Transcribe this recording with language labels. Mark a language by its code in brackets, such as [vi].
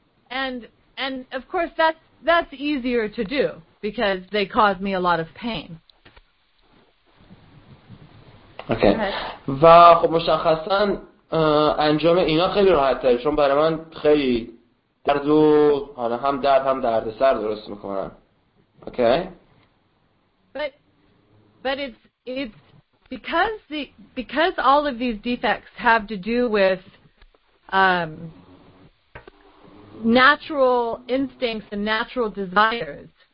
[en] And of course that's easier to do because they cause me a lot of pain. Okay. [fa] و خب مشخصا انجام اینا خیلی راحت تره چون برای من خیلی درد و حالا هم درد سر درست میکنن. [en] Okay. But it's because all of these defects have to do with natural instincts and natural desires.